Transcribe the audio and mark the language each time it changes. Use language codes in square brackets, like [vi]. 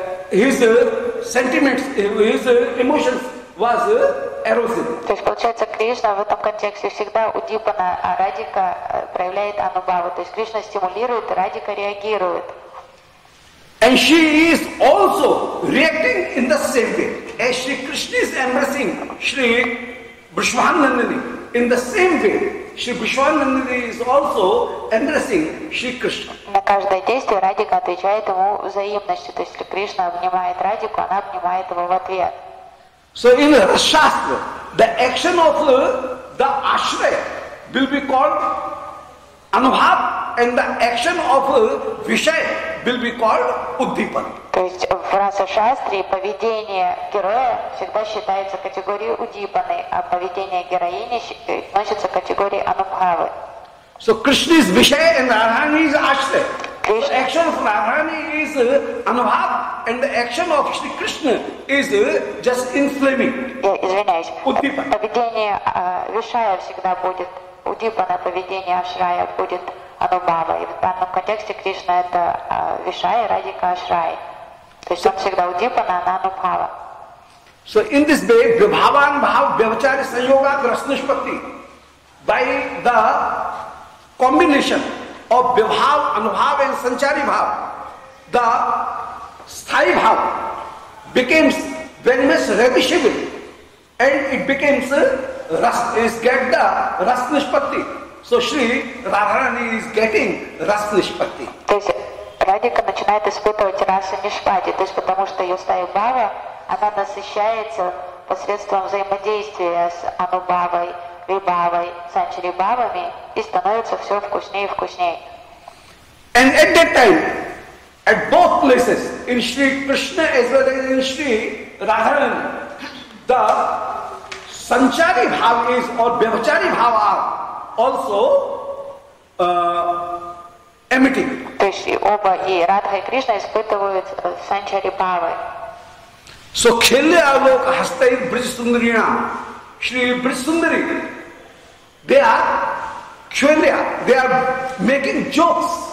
[en] His sentiments, his emotions was arousing. [ru] То есть получается, Кришна в этом контексте всегда удипана, а Радика проявляет анубаву. То есть Кришна стимулирует, Радика реагирует. [en] And she is also reacting in the same way. As Shri Krishna is embracing Shri Vrishvanandini, in the same way, Shri Vrishvanandini is also embracing Shri Krishna. [ru] На каждое действие Радика отвечает ему взаимностью. То есть, если Кришна обнимает Радику, она обнимает его в ответ. [en] So in Shastra, the action of the Ashraya will be called Anubhav, and the action of Vishaya will be called Uddipan. [ru] То есть в Раса Шастре поведение героя всегда считается категорией Удипаны, а поведение героини относится к категории Анубхавы. [en] So Krishna is Vishaya and Radharani is Ashraya. Krishna. The action of Radharani is anubhav, and the action of Shri Krishna is just inflaming. [ru] Yeah, извиняюсь. Удипана. Поведение Вишая всегда будет удипана, поведение Ашрая будет анубава. И в данном контексте Кришна это Вишая, Радика, Ашрая. То есть он всегда удипана, она анубхава. [en] So in this way, Vibhavan Bhav Vyavachari Sanyoga Grasnishpati, by the combination of Vibhav, Anubhav and Sanchari Bhav, the Sthai Bhav becomes venomous, ravishable, and it becomes get the Rasnishpati. So Sri Radharani is getting Rasnishpati. [ru] Радика начинает испытывать расу нишпати, то есть потому что ее стая бхава, она насыщается посредством взаимодействия с анубхавой, вибхавой, санчари-бхавами и становится все вкуснее и вкуснее. [en] And at that time, at both places, in Shri Krishna as well as in Shri Radharani, the санчари-бхава is or вибхачари-бхава also emitting. [ru] То есть и оба, и Радха, и Кришна испытывают санчари-бхавы. [en] So khilya alok hastai brijasundariya, Shri Brijasundari, they are khilya, they are making jokes.